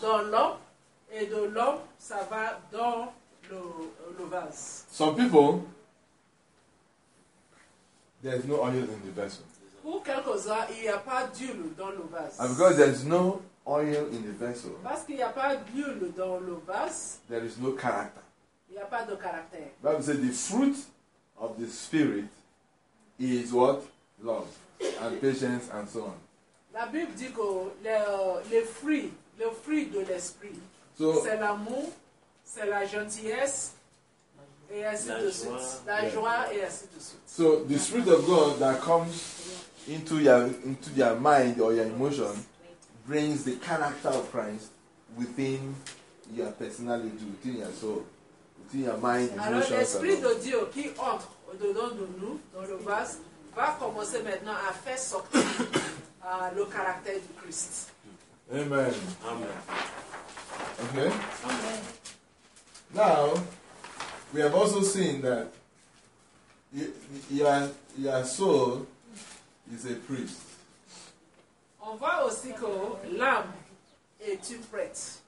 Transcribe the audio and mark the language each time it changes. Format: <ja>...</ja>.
<fr>Dans l'homme, et de l'homme, ça va dans le vase.</fr> <en>Some people, there is no oil in the vessel.</en> <fr>Pour quelques-uns, il n'y a pas d'huile dans le vase.</fr> <en>And because there is no oil in the vessel,</en> <fr>parce qu'il n'y a pas d'huile dans le vase,</fr> <en>there is no character.</en> <fr>Il n'y a pas de caractère.</fr> <en>The Bible says the fruit of the Spirit is what? Love and patience and so on.</en> <fr>La Bible dit que le fruit de l'esprit, so, c'est l'amour, c'est la gentillesse, et ainsi de suite. La joie, et ainsi de suite.</fr> <en>So, the Spirit of God that comes into your mind or your emotion brings the character of Christ within your personality, within your soul, within your mind, emotions.</en> <fr>Alors, l'Esprit de Dieu qui entre au-dedans de nous, dans le vase, va commencer maintenant à faire sortir le caractère du Christ.</fr> <en>Amen. Amen. Okay? Amen. Now, we have also seen that your soul is a priest.</en> <fr>On voit aussi que l'âme est une prêtre.</fr>